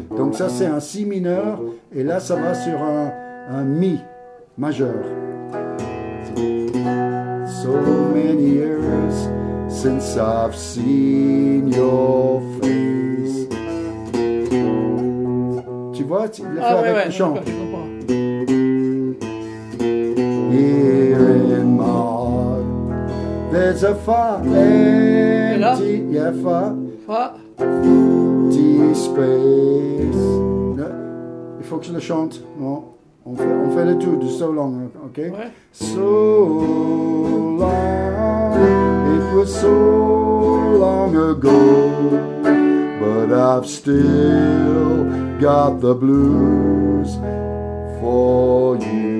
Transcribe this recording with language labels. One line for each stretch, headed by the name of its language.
French: Donc ça, c'est un Si mineur. Et là, ça va sur un Mi majeur.
English: So many years. Since I've seen your face.
French: Tu vois, tu l'as fait avec ouais, le chant. Je
English: Here in my heart, there there's a fa empty, yeah, fa.
French: Fa. D space. No. Il faut que je le chante. Non. On fait le tout du so long, ok? Ouais.
English: So long, it was so long ago, but I've still got the blues for you.